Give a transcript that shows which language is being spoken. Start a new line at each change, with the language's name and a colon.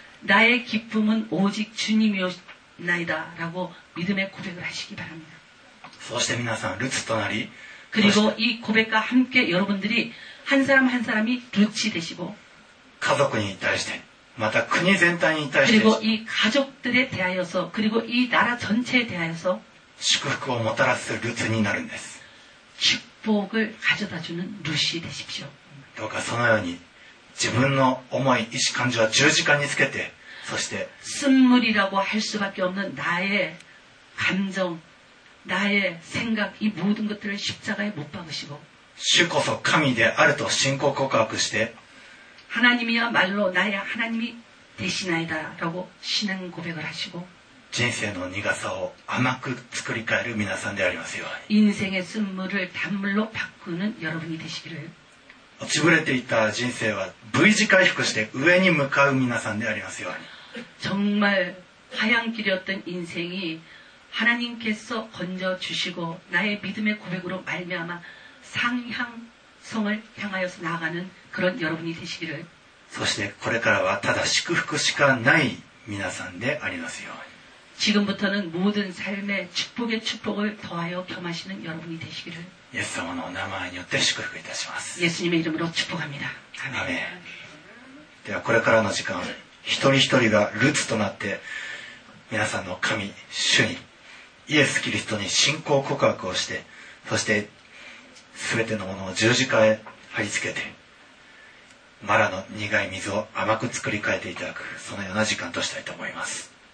Korean: 나의기쁨은오직주님이오나이다라고믿음의고백을하시기바랍니다
Japanese: そして皆さんルツとなり
Korean: 그리고이고백과함께여러분들이한사람한사람이루치되시고 가족에대해
Japanese: また国全体に対して
Korean: 그리고이가족들에대하여서그리고이나라전체에대하여서
Japanese: 祝福をもたらすルツになるんです。
Korean: 축복을가져다주는루시되십시오
Japanese: どうかそのように自分の思い意思感情は十字架につけてそして
Korean: 쓴물이라고할수밖에없는나의감정나의생각이모든것들을십자가에못박으시고
Japanese: 주こそ神であると信仰告白して
Korean: 하나님이야말로나의하나님이되시나이다라고신앙고백을하시고
Japanese: 人生の苦さを甘く作り変える皆さんでありますように
Korean: 인생의쓴물을단물로바꾸는여러분이되시기를
Japanese: 落ちぶれていた人生は V 字回復して上に向かう皆さんでありますように
Korean: 정말하얀길이었던인생이하나님께서건져주시고나의믿음의고백으로말미암아상향성을향하여서나아가는그런여러분이되시기를
Japanese: そしてこれからはただ祝福しかない皆さんでありますように
Korean: 지금부터는모든삶에축복의축복을더하여겸하시는여러분이되시기를 예수님의이름으로축복합니다예수님의이름으로축 복합니다예수님의이름으로축복합니다
Japanese: 아멘ではこれからの時間一人一人がルツとなって皆さんの神主にイエスキリストに信仰告白をしてそして全てのものを十字架へ貼り付けてマラの苦い水を甘く作り変えていただくそのような時間としたいと思います。